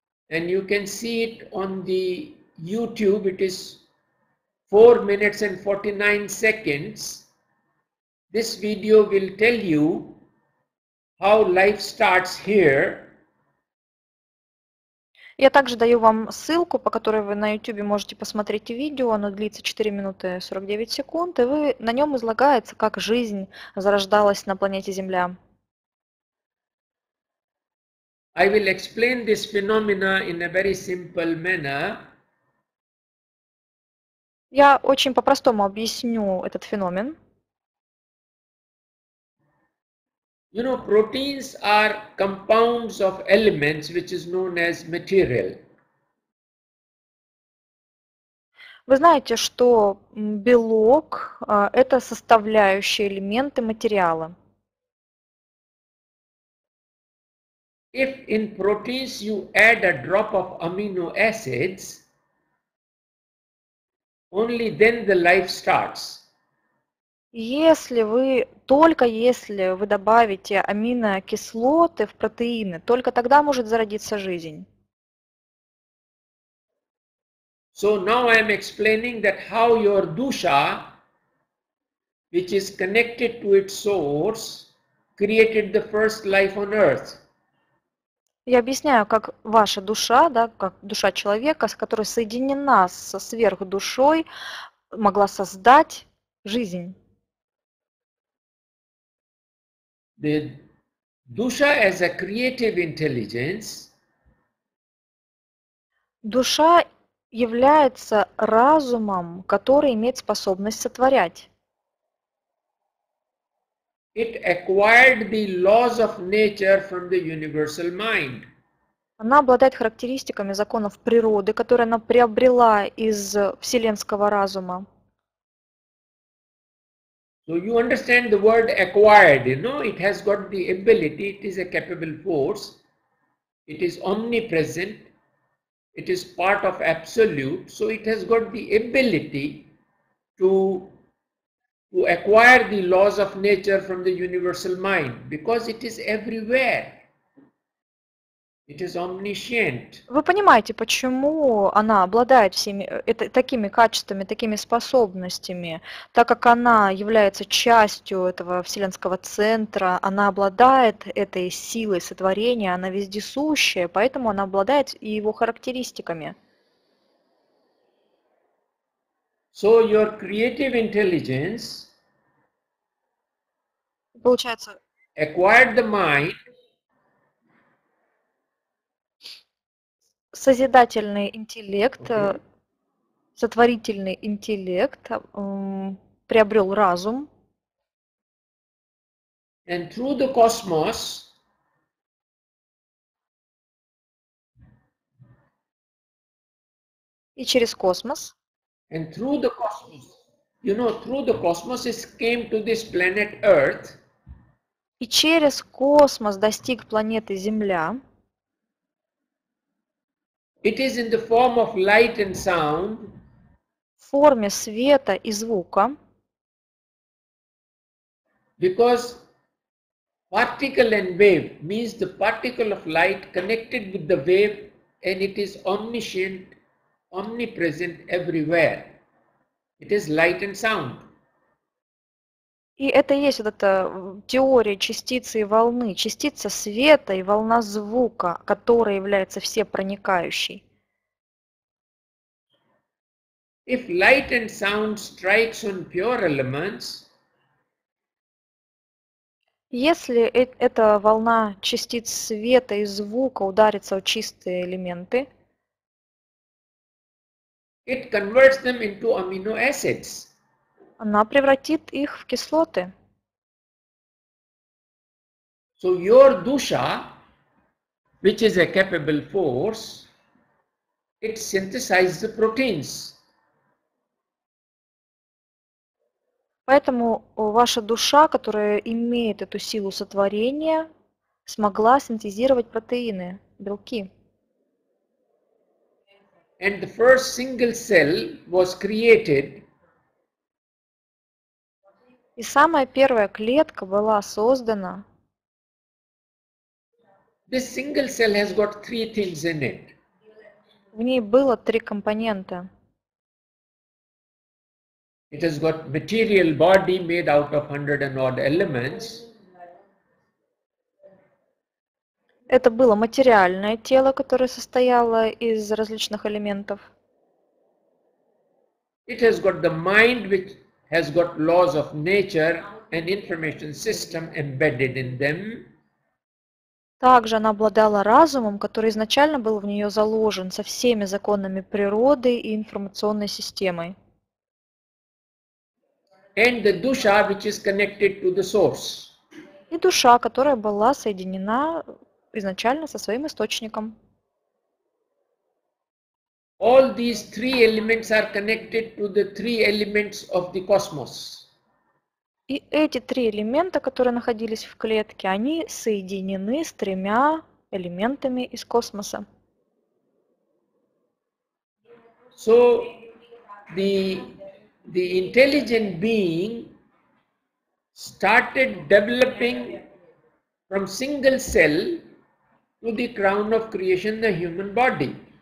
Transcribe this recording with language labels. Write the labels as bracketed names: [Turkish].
[English] And you can see it on the YouTube. It is 4 minutes and 49 seconds. This video will tell you how life starts here. [Russian] Я также даю вам ссылку, по которой вы на YouTube можете посмотреть видео. Оно длится 4 минуты 49 секунд. И на нем излагается, как жизнь зарождалась на планете Земля. [English] I will explain this phenomena in a very simple manner. [Russian] Я очень по-простому объясню этот феномен. [English] You know, proteins are compounds of elements, which is known as material. [Russian] Вы знаете, что белок – это составляющие элементы материала. [English] If in proteins you add a drop of amino acids, only then the life starts. [Russian] Если вы, только если вы добавите аминокислоты в протеины, только тогда может зародиться жизнь. [English] So now I am explaining that how your dusha, which is connected to its source, created the first life on earth. [Russian] Я объясняю, как ваша душа, да, как душа человека, которая соединена со сверхдушой, могла создать жизнь. [English] The душа as a creative intelligence. [Russian] Душа является разумом, который имеет способность сотворять. [English] It acquired the laws of nature from the universal mind. [Russian] Она обладает характеристиками законов природы, которые она приобрела из вселенского разума. [English] So you understand the word acquired, you know, it has got the ability, it is a capable force, it is omnipresent, it is part of absolute, so it has got the ability to acquire the laws of nature from the universal mind, because it is everywhere. It is omniscient. [Russian] Вы понимаете, почему она обладает всеми такими качествами, такими способностями, так как она является частью этого вселенского центра, она обладает этой силой сотворения, она вездесущая, поэтому она обладает и его характеристиками. [English] So your creative intelligence, [Russian] получается, [English] acquired the mind. [Russian] Созидательный интеллект, okay. Сотворительный интеллект приобрел разум. [English] And through the cosmos, [Russian] И через космос. [English] And through the cosmos. You know, through the cosmos it came to this planet Earth. [Russian] И через космос достиг планеты Земля. [English] It is in the form of light and sound. [Russian] В форме света и звука. [English] Because particle and wave means the particle of light connected with the wave, and it is omniscient, omnipresent everywhere. It is light and sound. [Russian] И это есть вот эта теория частицы и волны, частица света и волна звука, которая является всепроникающей. [English] If light and sound strikes on pure elements, [Russian] если эта волна частиц света и звука ударится о чистые элементы, [English] it converts them into amino acids. [Russian] Она превратит их в кислоты. [English] So your dusha, which is a capable force, it synthesizes the proteins. [Russian] Поэтому ваша душа, которая имеет эту силу сотворения, смогла синтезировать протеины, белки. [English] And the first single cell was created. [Russian] И самая первая клетка была создана. [English] This single cell has got three things in it. [Russian] В ней было три компонента. [English] It has got material body made out of 100 and odd elements. [Russian] Это было материальное тело, которое состояло из различных элементов. [English] It has got the mind, which has got laws of nature and information system embedded in them. [Russian] Также она обладала разумом, который изначально был в нее заложен со всеми законами природы и информационной системой. [English] And the dusha, which is connected to the source. [Russian] И душа, которая была соединена изначально со своим источником. [English] All these three elements are connected to the three elements of the cosmos. [Russian] И эти три элемента, которые находились в клетке, они соединены с тремя элементами из космоса. [English] So the intelligent being started developing from single cell to the crown of creation, the human body.